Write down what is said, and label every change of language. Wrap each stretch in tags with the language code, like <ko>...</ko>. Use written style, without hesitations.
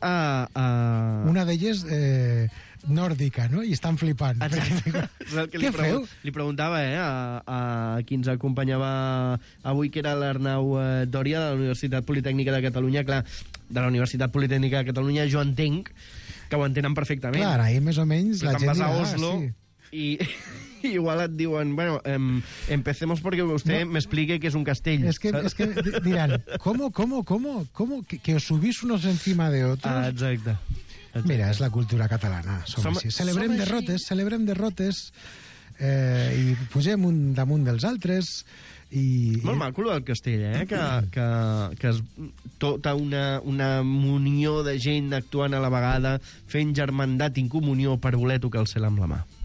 <ca>una d'elles nòrdica, no? I estan flipant. Què feu? Li preguntava a qui ens acompanyava avui, que era l'Arnau Dòria, de la Universitat Politècnica de Catalunya. Clar, de la Universitat Politècnica de Catalunya, jo entenc que ho entenen perfectament. Clar, ahir més o menys la gent dirà, Oslo, sí. I igual et diuen,</ca> <es>bueno, empecemos porque usted no.</es> <ca>M'explique que és un castell. És que diran, ¿cómo?</ca> <es>Que os subís unos encima de otros.</es> <ca>Ah, exacte. Mira, és la cultura catalana. Celebrem derrotes i pugem un damunt dels altres. Molt maco el castell, que és tota una munió de gent actuant a la vegada, fent germandat i comunió per voler tocar el cel amb la mà.</ca>